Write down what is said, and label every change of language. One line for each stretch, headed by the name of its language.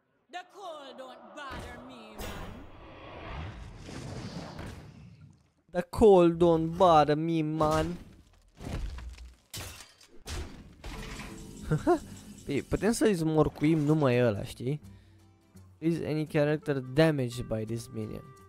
English: The cold don't bother me, man. The cold don't bother me, man.
Romanian: Păi, putem să-i zmorcuim numai ăla, știi?
English: Is any character damaged by this minion?